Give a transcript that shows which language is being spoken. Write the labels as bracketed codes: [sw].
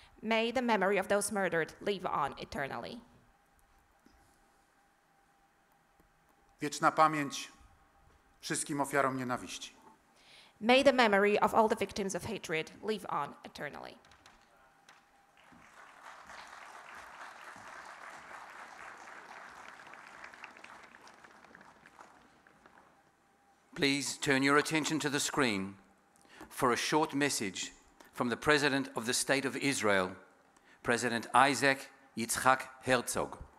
[en] May the memory of those murdered live on eternally. [pl] Wieczna pamięć wszystkim ofiarom nienawiści. [en] May the memory of all the victims of hatred live on eternally. Please turn your attention to the screen for a short message from the President of the State of Israel, President Isaac Yitzhak Herzog.